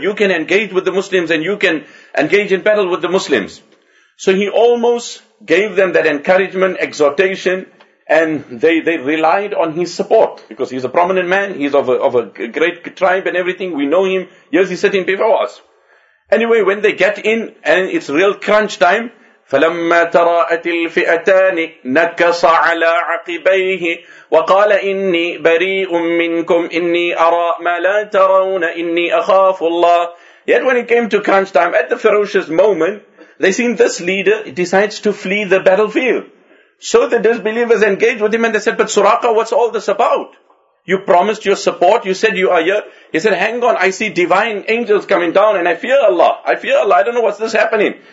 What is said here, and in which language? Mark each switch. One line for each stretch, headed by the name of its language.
English: You can engage with the Muslims and you can engage in battle with the Muslims. So he almost gave them that encouragement, exhortation. And they relied on his support. Because he's a prominent man. He's of a great tribe and everything. We know him. Yes, he's sitting before us. Anyway, when they get in and it's real crunch time,
Arabic: فَلَمَّا تَرَاءَتِ الْفِئَتَانِ نَكَّصَ عَلَىٰ عَقِبَيْهِ وَقَالَ إِنِّي بَرِيءٌ مِّنْكُمْ إِنِّي أَرَىٰ مَا لَا تَرَوْنَ إِنِّي أَخَافُ اللَّهِ.
English: Yet when it came to crunch time, at the ferocious moment, they seen this leader decides to flee the battlefield. So the disbelievers engaged with him and they said, but Suraqa, what's all this about? You promised your support, you said you are here. He said, hang on, I see divine angels coming down and I fear Allah, I don't know what's this happening.